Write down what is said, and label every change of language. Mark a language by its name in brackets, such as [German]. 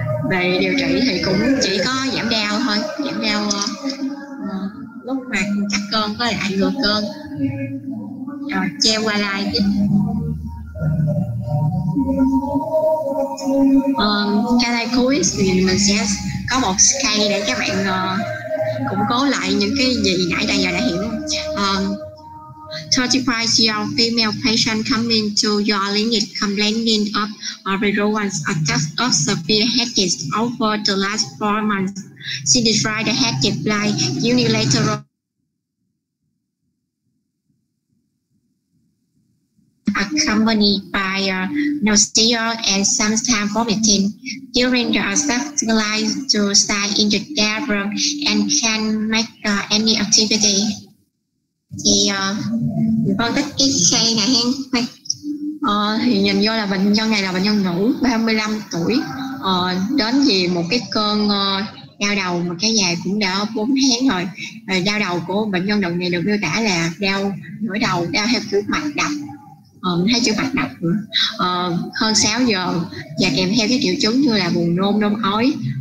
[Vietnamese] Về điều trị thì cũng chỉ có giảm đau thôi, giảm đau lúc mà cắt cơn có lại ngừa cơn, rồi treo qua lại. Cái lại cuối thì mình sẽ có một scan để các bạn củng cố lại những cái gì nãy giờ đã hiểu. [English] 35-year-old female patient coming to your clinic complaining of a recurrence attack of severe headaches over the last 4 months. She described the headache like unilateral accompanied by nausea and sometimes vomiting. During the attack, she likes to stay in the dark room and can't make any activity. [Vietnamese] Thì con thích cái xe này hen. Thì nhìn vô là bệnh nhân này là bệnh nhân nữ 35 tuổi, đến vì một cái cơn đau đầu mà cái dài cũng đã 4 tháng rồi. Đau đầu của bệnh nhân đợt này được miêu tả là đau nửa đầu, đau theo kiểu mạch đập, thấy chưa, mạch đập hơn 6 giờ và kèm theo cái triệu chứng như là buồn nôn, nôn ói.